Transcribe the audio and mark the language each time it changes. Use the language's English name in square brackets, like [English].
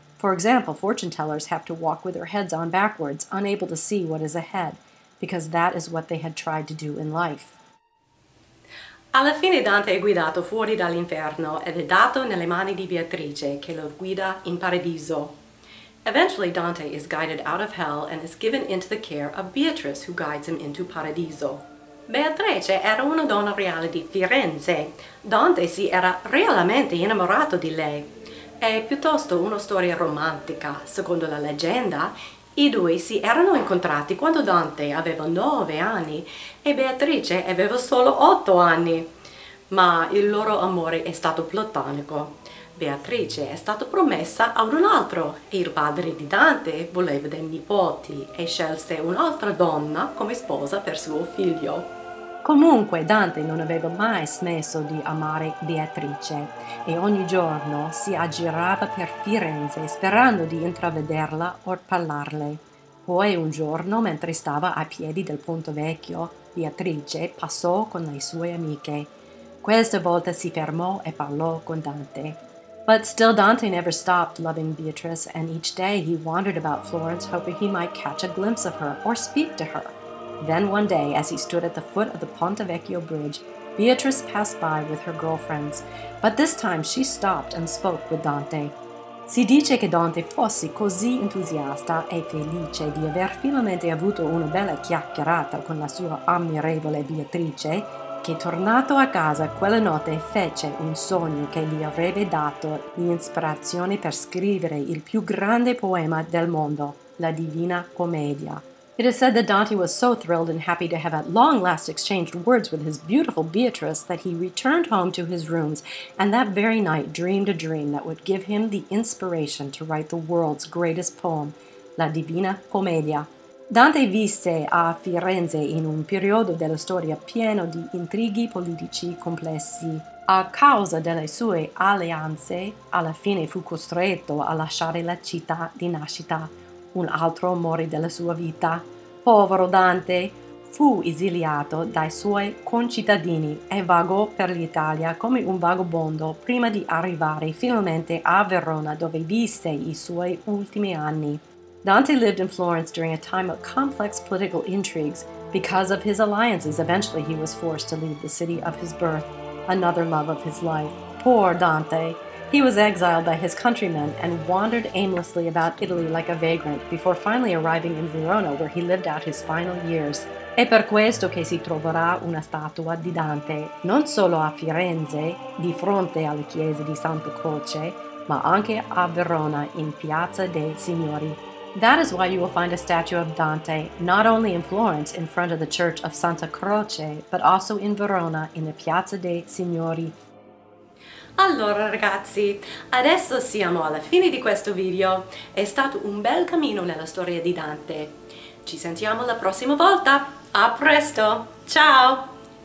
[English] For example, fortune tellers have to walk with their heads on backwards, unable to see what is ahead. because that is what they had tried to do in life. [Italian] Alla fine Dante è guidato fuori dall'inferno ed è dato nelle mani di Beatrice, che lo guida in paradiso. [English] Eventually, Dante is guided out of hell and is given into the care of Beatrice, who guides him into paradiso. [Italian] Beatrice era una donna reale di Firenze. Dante si era realmente innamorato di lei. È piuttosto una storia romantica. Secondo la leggenda, i due si erano incontrati quando Dante aveva 9 anni e Beatrice aveva solo 8 anni. Ma il loro amore è stato platonico. Beatrice è stata promessa ad un altro e il padre di Dante voleva dei nipoti e scelse un'altra donna come sposa per suo figlio. Comunque Dante non aveva mai smesso di amare Beatrice e ogni giorno si aggirava per Firenze sperando di intravederla o parlarle. Poi un giorno, mentre stava ai piedi del Ponte Vecchio, Beatrice passò con le sue amiche. Questa volta si fermò e parlò con Dante. [English] But still Dante never stopped loving Beatrice, and each day he wandered about Florence hoping he might catch a glimpse of her or speak to her. Then one day, as he stood at the foot of the Ponte Vecchio bridge, Beatrice passed by with her girlfriends, but this time she stopped and spoke with Dante. [Italian] Si dice che Dante fosse così entusiasta e felice di aver finalmente avuto una bella chiacchierata con la sua ammirevole Beatrice, che tornato a casa quella notte fece un sogno che gli avrebbe dato l'ispirazione per scrivere il più grande poema del mondo, la Divina Commedia. [English] It is said that Dante was so thrilled and happy to have at long last exchanged words with his beautiful Beatrice that he returned home to his rooms and that very night dreamed a dream that would give him the inspiration to write the world's greatest poem, la Divina Commedia. [Italian] Dante visse a Firenze in un periodo della storia pieno di intrighi politici complessi. A causa delle sue alleanze, alla fine fu costretto a lasciare la città di nascita, un altro amore della sua vita. Povero Dante! Fu esiliato dai suoi concittadini e vagò per l'Italia come un vagabondo prima di arrivare finalmente a Verona, dove visse i suoi ultimi anni. [English] Dante lived in Florence during a time of complex political intrigues. Because of his alliances, eventually he was forced to leave the city of his birth, another love of his life. Poor Dante! He was exiled by his countrymen and wandered aimlessly about Italy like a vagrant before finally arriving in Verona, where he lived out his final years. [Italian] È per questo che si troverà una statua di Dante, non solo a Firenze, di fronte alla chiesa di Santa Croce, ma anche a Verona, in Piazza dei Signori. [English] That is why you will find a statue of Dante, not only in Florence, in front of the Church of Santa Croce, but also in Verona, in the Piazza dei Signori. [Italian] Allora ragazzi, adesso siamo alla fine di questo video. È stato un bel cammino nella storia di Dante. Ci sentiamo la prossima volta. A presto! Ciao!